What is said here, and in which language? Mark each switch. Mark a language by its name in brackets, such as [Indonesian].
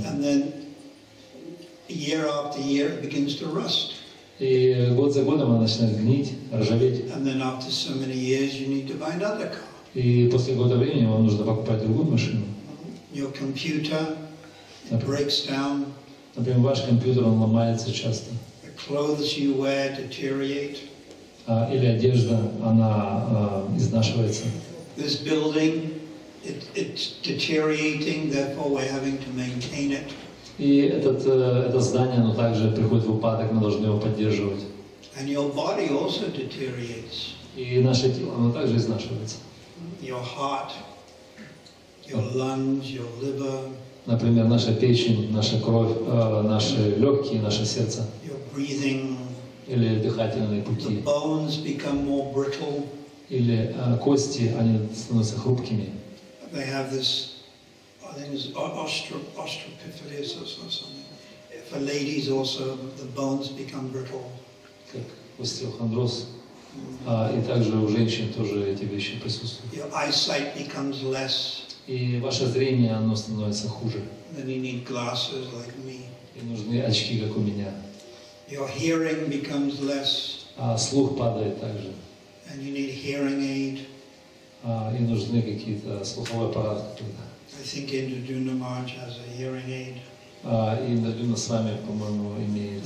[English] And then year after year it begins to rust. [Russian] И год за годом она начинает гнить, ржаветь. [English] And then after so many years you need to buy another car. [Russian] И после года времени вам нужно покупать другую машину. [English] Your computer breaks down. [Russian] Например, ваш компьютер он ломается часто. [English] The clothes you wear deteriorate. [Russian] Или одежда, она изнашивается. [English] This building, it's deteriorating, therefore we're having to maintain it. [Russian] И это здание, оно также приходит в упадок, мы должны его поддерживать. [English] And your body also deteriorates. [Russian] И наше тело, оно также изнашивается. [English] Your heart, your lungs, your liver. [Russian] Например, наша печень, наша кровь, наши легкие, наше сердце. [English] Your breathing. [Russian] Или дыхательные пути. [English] The bones become more brittle. [Russian] Или кости, они становятся хрупкими. [English] They have this, I think it's osteopithelias or something. For ladies also, the bones become brittle. [Russian] Как остеохондроз. И также у женщин тоже эти вещи присутствуют. [English] Your eyesight becomes less. [Russian] И ваше зрение, оно становится хуже. [English] Then you need glasses like me. [Russian] И нужны очки, как у меня. [English] Your hearing becomes less. [Russian] Слух падает также. [English] And you need hearing aid. [Russian] И нужны какие-то слуховые аппараты. [English] I think Indraduna Maharaj has a hearing aid. [Russian] Индрадюна с вами, по-моему, имеет.